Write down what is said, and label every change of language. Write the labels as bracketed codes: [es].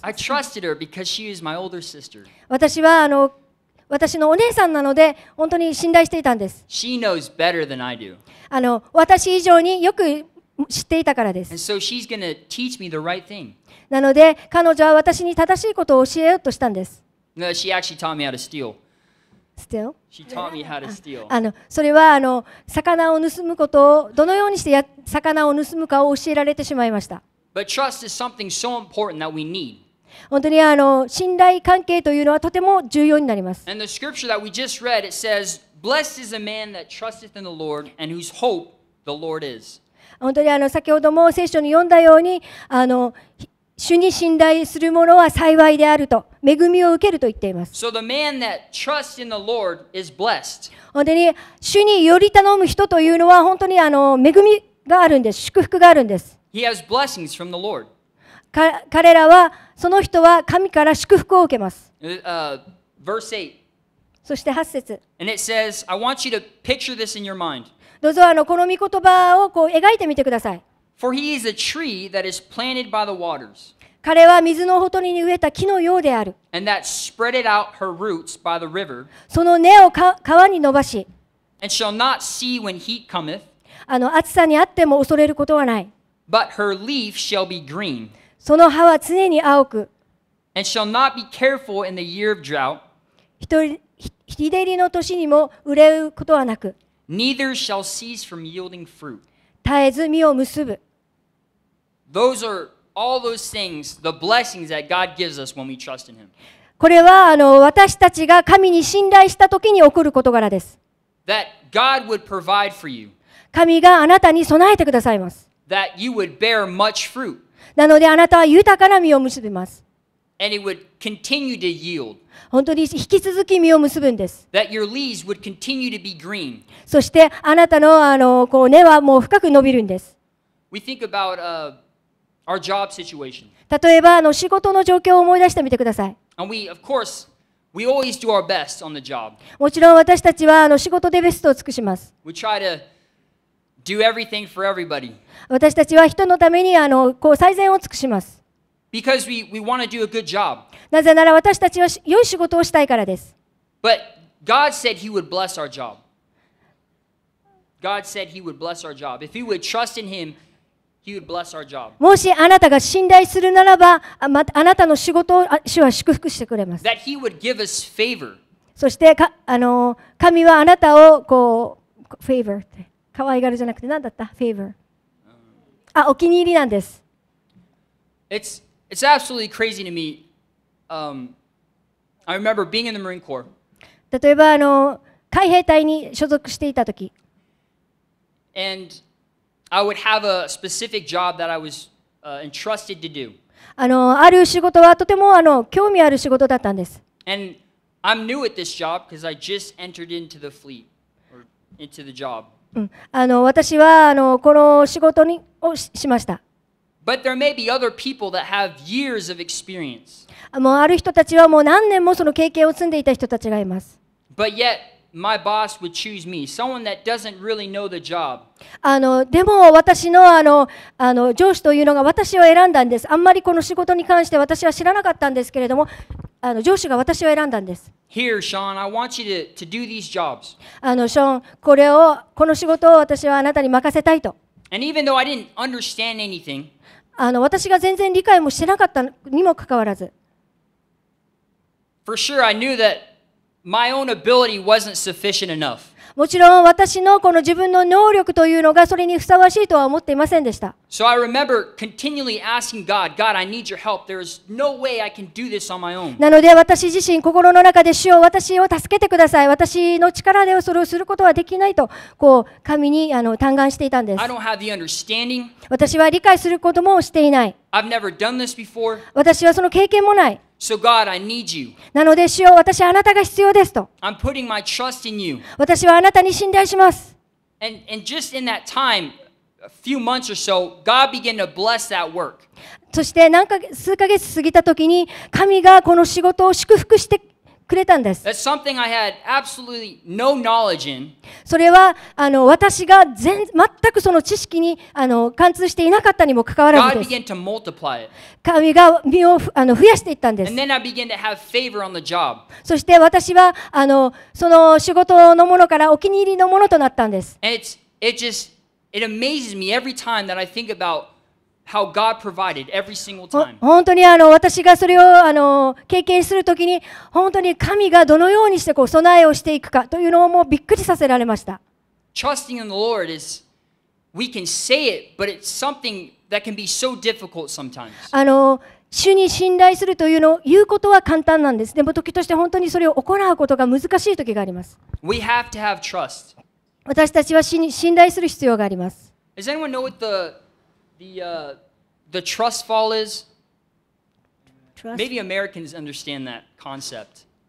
[en] I trusted her because she was my older sister. [ja] 私はあの、私のお姉さんなので、本当に信頼していたんです。 [en] She knows better than I do. [ja] あの、私以上によく知っていたからです。 [en] And so she's going to teach me the right thing. [ja] なので、彼女は私に正しいことを教えようとしたんです。 [en] No, she actually taught me how to steal. Still? She taught me how to steal. [ja] あの、それはあの、魚を盗むことをどのようにして魚を盗むかを教えられてしまいました。 [en] But trust is something so important that we need. [ja] 本当にあの、信頼関係というのはとても重要になります。 [en] And the scripture that we just read, it says, Blessed is a man that trusteth in the Lord and whose hope the Lord is. [ja] 本当にあの、先ほども聖書に読んだように、あの、主に信頼する者は幸いであると、恵みを受けると言っています。 [en] So the man that trusts in the Lord is blessed. [ja] 本当に、主により頼む人というのは、本当にあの、恵みがあるんです。祝福があるんです。 [en] He has blessings from the Lord. [ja] 彼らは、その人は神から祝福を受けます。 [en] Verse 8. [ja] そして8節。 [en] And it says, I want you to picture this in your mind. [ja] どうぞあの、この御言葉をこう描いてみてください。 [en] For he is a tree that is planted by the waters. [ja] 彼は水のほとりに植えた木のようである。 [en] And that spreadeth out her roots by the river. [ja] その根を川に伸ばし。 [en] And shall not see when heat cometh. [ja] あの、暑さにあっても恐れることはない。 [en] But her leaf shall be green. [ja] その葉は常に青く。 [en] And shall not be careful in the year of drought. [ja] 日照りの年にも憂うことはなく。 [en] Neither shall cease from yielding fruit. [ja] 絶えず実を結ぶ。 [en] Those are all those things, the blessings that God gives us when we trust in Him. [ja] これは私たちが神に信頼したときに起こる事柄です。 [en] That God would provide for you. [ja] 神があなたに備えてくださいます。 [en] That you would bear much fruit. [ja] なのであなたは豊かな実を結びます。 [en] And it would continue to yield. [ja] 本当に引き続き実を結ぶんです。 [en] That your leaves would continue to be green. [ja] そしてあなたの こう根はもう深く伸びるんです。 [en] We think about our job situation. [ja] 例えば仕事の状況を思い出してみてください。 [en] And we, of course, we always do our best on the job. [ja] もちろん私たちは仕事でベストを尽くします。 [en] We try to do everything for everybody. [ja] 私たちは人のためにこう最善を尽くします。 [en] Because we want to do a good job. [ja] なぜなら私たちは良い仕事をしたいからです。 [en] But God said He would bless our job. God said He would bless our job. If we would trust in Him,He would bless our job. [ja] もしあなたが信頼するならば、あなたの仕事を主は祝福してくれます。 [en] That he would give us favor. [ja] そして神はあなたをこう favor って可愛がるじゃなくて何だった favor、お気に入りなんです。 [en] It's absolutely crazy to me. I remember being in the Marine Corps. [ja] 例えば海兵隊に所属していた時。 [en] And I would have a specific job that I was entrusted to do. [ja] ある仕事はとても興味ある仕事だったんです。 [en] And I'm new at this job because I just entered into the fleet or into the job. [ja] 私はこの仕事にをしました。 [en] But there may be other people that have years of experience. [ja] もうある人たちはもう何年もその経験を積んでいた人たちがいます。 [en] But yet. My boss would choose me, someone that doesn't really know the job. [ja] でも私の上司というのが私を選んだんです。あんまりこの仕事に関して私は知らなかったんですけれども、上司が私を選んだんです。 [en] Here, Sean, I want you to do these jobs. [ja] Sean, この仕事を私はあなたに任せたいと。 [en] And even though I didn't understand anything, [ja] 私が全然理解もしてなかったにもかかわらず。 [en] For sure, I knew that. My own ability wasn't sufficient enough. [ja] もちろん私のこの自分の能力というのがそれにふさわしいとは思っていませんでした。 [en] So I remember continually asking God, God, I need your help. There is no way I can do this on my own. [ja] なので私自身心の中で主よ私を助けてください。私の力でそれをすることはできないとこう神に嘆願していたんです。 [en] I don't have the understanding. [ja] 私は理解することもしていない。 [en] I've never done this before. [ja] 私はその経験もない。 [en] So God, I need you. [ja] なので主よ私はあなたが必要ですと。 [en] I'm putting my trust in you. [ja] 私はあなたに信頼します。 [en] And just in that time, a few months or so, God began to bless that work. [ja] そして何か数ヶ月過ぎた時に神がこの仕事を祝福してくれたんです。 [en] That's something I had absolutely no knowledge in. [ja] それは私が全くその知識に貫通していなかったにもかかわらずです。 [en] God began to multiply it. [ja] 神が身を増やしていったんです。 [en] And then I began to have favor on the job. [ja] そして私はその仕事のものからお気に入りのものとなったんです。 [en] And it amazes me every time that I think aboutHow God provided every single time. [ja] 本当に私がそれを経験するときに本当に神がどのようにしてこう備えをしていくかというのをもうびっくりさせられました。 [en] Trusting in the Lord is, we can say it, but it's something that can be so difficult sometimes. [ja] 主に信頼するというのを言うことは簡単なんです。でも時として本当にそれを行うことが難しいときがあります。 [en] We have to have trust. [ja] 私たちは信頼する必要があります。 [en] Does anyone know what the trust fall is trust. Maybe Americans understand that concept.